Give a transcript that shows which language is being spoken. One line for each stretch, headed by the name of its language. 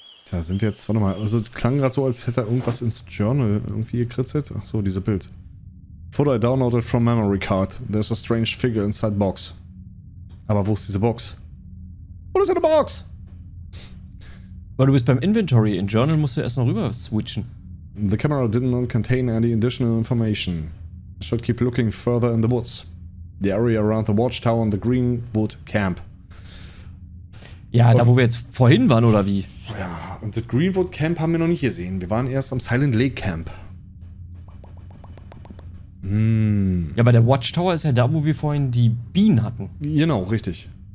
German: Da sind wir jetzt, warte mal, also es klang gerade so, als hätte er irgendwas ins Journal irgendwie gekritzelt. Ach so, diese Bild.
English: Photo I downloaded from memory card. There's a strange figure inside box.
German: Aber wo ist diese Box? Wo ist eine Box? Weil du bist beim Inventory. In Journal musst du erst noch rüber switchen.
English: The camera did not contain any additional information. Should keep looking further in the woods. The area around the watchtower and the Greenwood Camp.
German: Ja, und da wo wir jetzt vorhin waren, oder wie? Ja, und das Greenwood Camp haben wir noch nicht gesehen. Wir waren erst am Silent Lake Camp. Ja, aber der Watchtower ist ja da, wo wir vorhin die Bienen hatten. Genau, richtig.